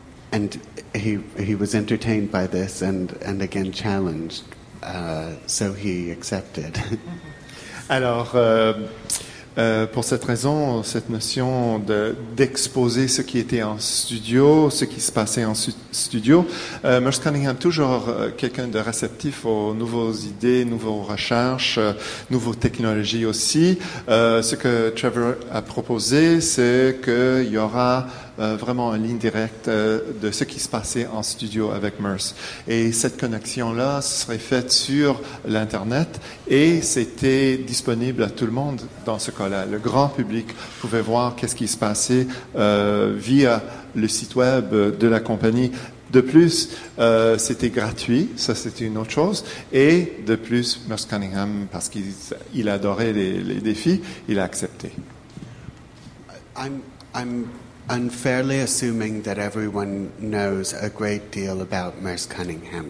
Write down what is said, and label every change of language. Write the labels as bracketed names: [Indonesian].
[English] And he was entertained by this and again challenged, so he accepted. [French] Alors, pour cette raison, cette notion d'exposer ce qui était en studio, ce qui se passait en studio, Merce Cunningham, toujours quelqu'un de réceptif aux nouvelles idées, nouvelles recherches, nouvelles technologies aussi. Ce que Trevor a proposé, c'est qu'il y aura vraiment une ligne directe de ce qui se passait en studio avec Merce. Et cette connexion-là serait faite sur l'Internet et c'était disponible à tout le monde dans ce cas-là. Le grand public pouvait voir qu'est-ce qui se passait via le site web de la compagnie. De plus, c'était gratuit, ça c'était une autre chose. Et de plus, Merce Cunningham, parce qu'il adorait les défis, il a accepté. [English] I'm unfairly assuming that everyone knows a great deal about Merce Cunningham.